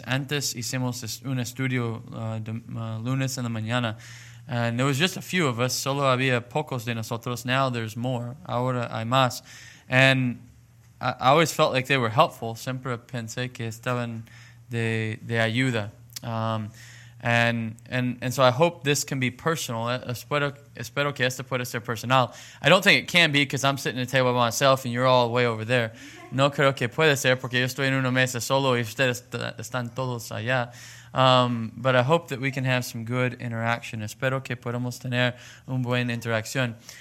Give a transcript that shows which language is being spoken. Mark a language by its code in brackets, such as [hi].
[es] Antes hicimos un estudio lunes en la mañana. [en] And there was just a few of us. [es] Solo había pocos de nosotros. [en] Now there's more. [es] Ahora hay más. [en] And I always felt like they were helpful. [es] Siempre pensé que estaban de ayuda. [en] And so I hope this can be personal. [es] Espero que esto pueda ser personal. [en] I don't think it can be because I'm sitting at a table by myself and you're all way over there. [es] No creo que pueda ser porque yo estoy en una mesa solo y ustedes están todos allá. [en] But I hope that we can have some good interaction. [es] Espero que podamos tener un buen interacción.